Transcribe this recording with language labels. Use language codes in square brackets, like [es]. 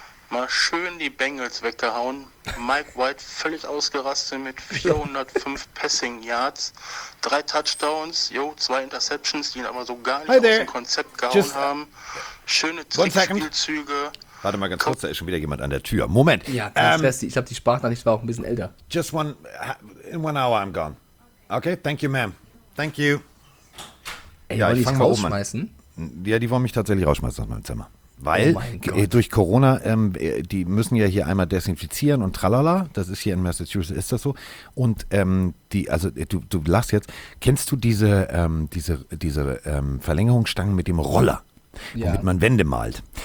[de] Mal schön die Bengals weggehauen. Mike White völlig ausgerastet mit 405 Passing Yards. 3 Touchdowns, yo, 2 Interceptions, die ihn aber so gar nicht aus dem Konzept gehauen haben. Schöne Trickspielzüge. Warte mal ganz kurz, da ist schon wieder jemand an der Tür. Moment. Ja, ich glaube, die Sprachnachricht war auch ein bisschen älter. [en] Just one, in one hour I'm gone. Okay, thank you, ma'am. Thank you. [de] Ey, ja, wollen ich fang rausschmeißen? Mal um. Ja, die wollen mich tatsächlich rausschmeißen aus meinem Zimmer. Weil durch Corona, die müssen ja hier einmal desinfizieren und tralala. Das ist hier in Massachusetts, ist das so. Und die, also du lachst jetzt. Kennst du diese, diese Verlängerungsstangen mit dem Roller, womit man Wände malt?